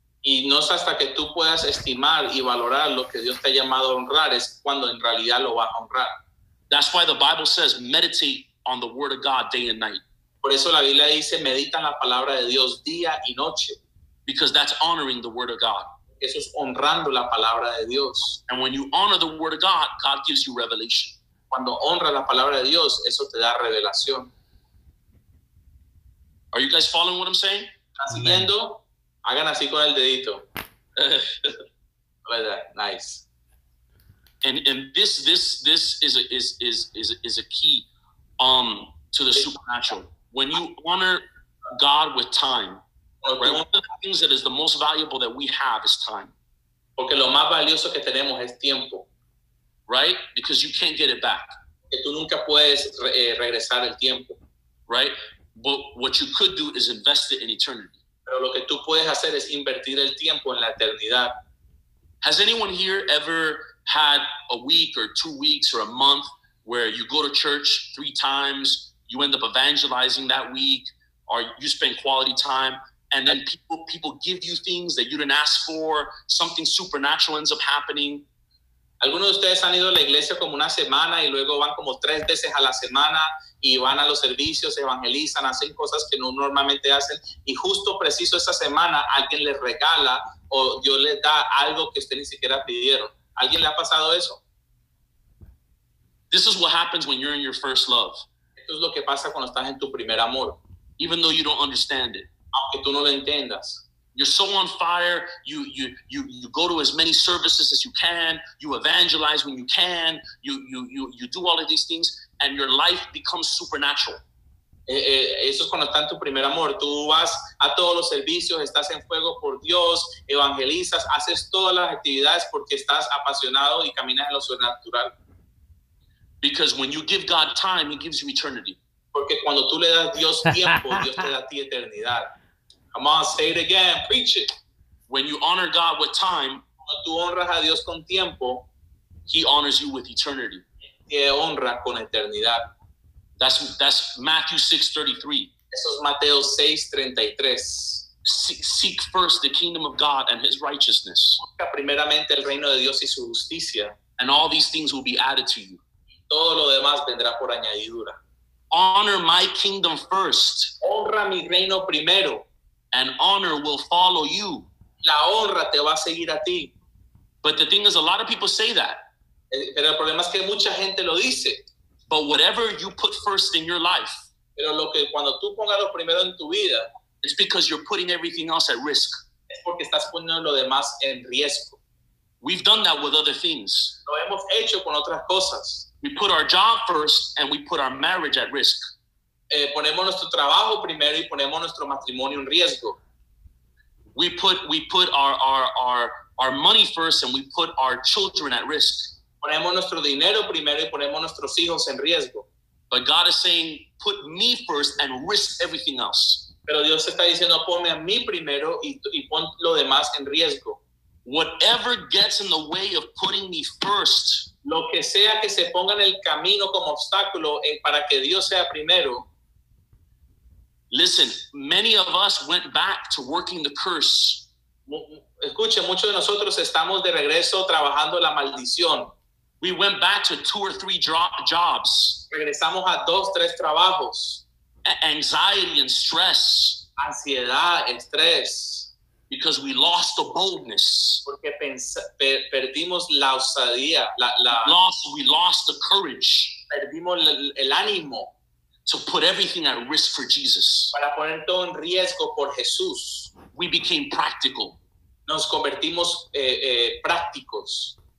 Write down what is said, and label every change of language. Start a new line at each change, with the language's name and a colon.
Spanish: Y no es hasta que tú puedas estimar y valorar lo que Dios te ha llamado a honrar, es cuando en realidad lo va a honrar.
English: That's why the Bible says meditate on the word of God day and night.
Spanish: Por eso la Biblia dice medita en la palabra de Dios día y noche.
English: Because that's honoring the word of God.
Spanish: Eso es honrando la palabra de Dios.
English: And when you honor the word of God, God gives you revelation.
Spanish: Cuando honra la palabra de Dios, eso te da revelación.
English: Are you guys following what I'm saying?
Spanish: ¿Estás siguiendo? Hagan así con el dedito.
English: Nice. And this is a key to the supernatural. When you honor God with time, right, one of the things that is the most valuable that we have is time.
Spanish: Porque lo más valioso que tenemos es tiempo.
English: Right? Because you can't get it back.
Spanish: Que tú nunca puedes regresar el tiempo.
English: Right? But what you could do is invest it in eternity.
Spanish: Pero lo que tú puedes hacer es invertir el tiempo en la eternidad.
English: Has anyone here ever had a week or 2 weeks or a month where you go to church 3 times, you end up evangelizing that week, or you spend quality time, and then people give you things that you didn't ask for, something supernatural ends up happening?
Spanish: Algunos de ustedes han ido a la iglesia como una semana y luego van como 3 veces a la semana y van a los servicios, evangelizan, hacen cosas que no normalmente hacen, y justo preciso esa semana alguien les regala o Dios les da algo que usted ni siquiera pidieron. ¿Alguien le ha pasado eso?
English: This is what happens when you're in your first love.
Spanish: Esto es lo que pasa cuando estás en tu primer amor.
English: Even though you don't understand it.
Spanish: Aunque tú no lo entiendas.
English: You're so on fire. You go to as many services as you can. You evangelize when you can. You do all of these things, and your life becomes supernatural.
Spanish: Eso es cuando estás en tu primer amor. Tú vas a todos los servicios, estás en fuego por Dios, evangelizas, haces todas las actividades porque estás apasionado y caminas en lo sobrenatural.
English: Because when you give God time, he gives you eternity.
Spanish: Porque cuando tú le das Dios tiempo, Dios te da a ti eternidad.
English: Come on, say it again, preach it. When you honor God with time,
Spanish: cuando tú honras a Dios con tiempo,
English: he honors you with eternity.
Spanish: Te honra con eternidad.
English: That's Matthew 6:33.
Spanish: Eso es Mateo 6:33.
English: Seek first the kingdom of God and his righteousness.
Spanish: Busca primeramente el reino de Dios y su justicia.
English: And all these things will be added to you.
Spanish: Todo lo demás vendrá por añadidura.
English: Honor my kingdom first.
Spanish: Honra mi reino primero.
English: And honor will follow you.
Spanish: La honra te va a seguir a ti.
English: But the thing is, a lot of people say that.
Spanish: Pero el problema es que mucha gente lo dice.
English: But whatever you put first in your life.
Spanish: Pero lo que cuando tú pongas lo primero en tu vida.
English: It's because you're putting everything else at risk.
Spanish: Es porque estás poniendo lo demás en riesgo.
English: We've done that with other things.
Spanish: Lo hemos hecho con otras cosas.
English: We put our job first and we put our marriage at risk.
Spanish: Ponemos nuestro trabajo primero y ponemos nuestro matrimonio en riesgo.
English: We put our money first and we put our children at risk.
Spanish: Ponemos nuestro dinero primero y ponemos nuestros hijos en riesgo.
English: But God is saying, put me first and risk everything else.
Spanish: Pero Dios está diciendo, ponme a mí primero y pon lo demás en riesgo.
English: Whatever gets in the way of putting me first.
Spanish: Lo que sea que se ponga en el camino como obstáculo para que Dios sea primero.
English: Listen, many of us went back to working the curse.
Spanish: Escuche, muchos de nosotros estamos de regreso trabajando la maldición.
English: We went back to two or three jobs.
Spanish: Regresamos a dos, tres trabajos.
English: Anxiety and stress.
Spanish: Ansiedad, estrés.
English: Because we lost the boldness.
Spanish: Porque perdimos la osadía.
English: We lost the courage.
Spanish: Perdimos el ánimo.
English: To put everything at risk for Jesus.
Spanish: Para poner todo en riesgo por Jesús.
English: We became practical.
Spanish: Nos convertimos prácticos.